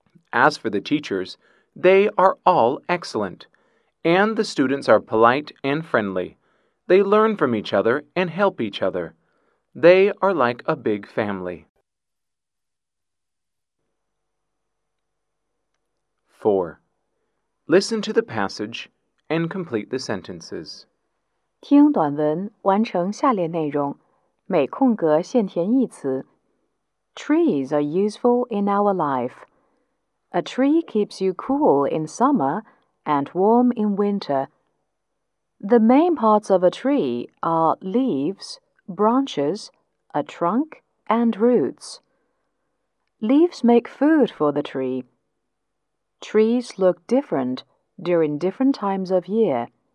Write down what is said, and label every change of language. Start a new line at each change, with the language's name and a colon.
English: As for the teachers, they are all excellent, and the students are polite and friendly. They learn from each other and help each other. They are like a big family. 4. Listen to the passage and complete the sentences.
Chinese: 听短文，完成下列内容，每空格现填一词。
English: Trees are useful in our life. A tree keeps you cool in summer and warm in winter. The main parts of a tree are leaves, branches, a trunk, and roots. Leaves make food for the tree. Trees look different during different times of year.